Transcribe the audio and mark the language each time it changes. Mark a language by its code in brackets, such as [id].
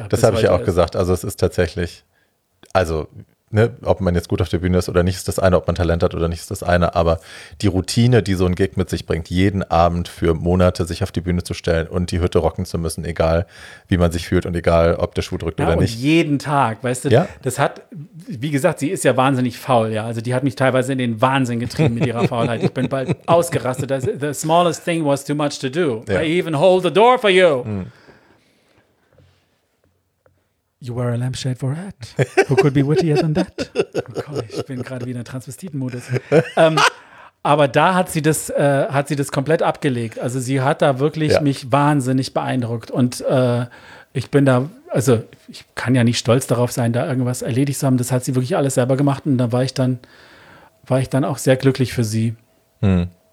[de] Das habe ich ja auch gesagt. Also es ist tatsächlich, also ne, ob man jetzt gut auf der Bühne ist oder nicht, ist das eine, ob man Talent hat oder nicht, ist das eine, aber die Routine, die so ein Gig mit sich bringt, jeden Abend für Monate sich auf die Bühne zu stellen und die Hütte rocken zu müssen, egal wie man sich fühlt und egal, ob der Schuh drückt, ja, oder nicht. Ja, jeden Tag, weißt du, ja? Das hat, wie gesagt, sie ist ja wahnsinnig faul, ja, also die hat mich teilweise in den Wahnsinn getrieben mit ihrer Faulheit. Ich bin bald ausgerastet, [en] the smallest thing was too much to do, ja. I even hold the door for you. Hm. You wear a lampshade for that. Who could be wittier than that? [de] Oh Gott, ich bin gerade wieder in Transvestitenmodus. Aber da hat sie das komplett abgelegt. Also sie hat da wirklich mich wahnsinnig beeindruckt. Und ich bin da, also ich kann ja nicht stolz darauf sein, da irgendwas erledigt zu haben. Das hat sie wirklich alles selber gemacht. Und da war ich dann auch sehr glücklich für sie. Hm.